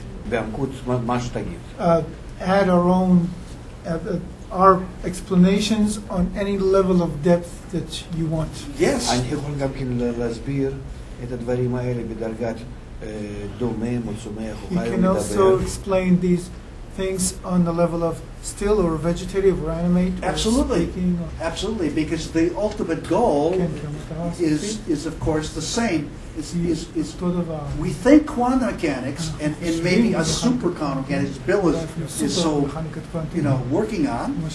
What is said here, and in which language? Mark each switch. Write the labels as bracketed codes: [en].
[en] Add our own our explanations on any level of depth that you want. Yes. [he] אני יכול גם כן להסביר את הדברים האלה בדרגת דומם או צומח. [en] You can also explain these things on the level of still or vegetative or animate. Absolutely. Absolutely, because the ultimate goal is of course the same. Is we think quantum mechanics and maybe a super quantum mechanics Bill is so working on.